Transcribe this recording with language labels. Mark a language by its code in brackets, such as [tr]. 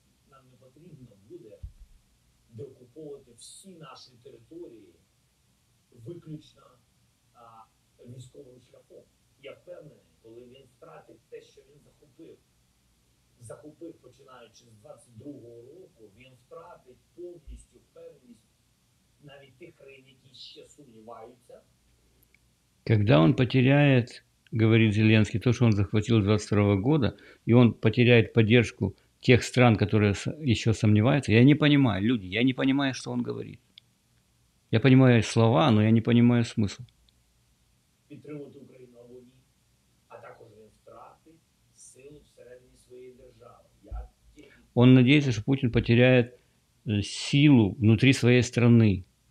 [uk] Нам не потрібно буде докуповувати всі наші території виключно військовим шляхом. Я впевнений, коли він втратить те, що він захопив. Захопив, починаючи з 22-го року, він втратить повністю впевненість навіть тих країн, які ще сумніваються. [ru] Когда он потеряет, говорит Зеленский, то, что он захватил с 22 года, и он потеряет поддержку тех стран, которые еще сомневаются, я не понимаю, люди, я не понимаю, что он говорит. Я понимаю слова, но я не понимаю смысл. [uk] Підтримувати Україну або ні, а також він втратить силу всередині своєї держави. [ru] Он надеется, что Путин потеряет силу внутри своей страны.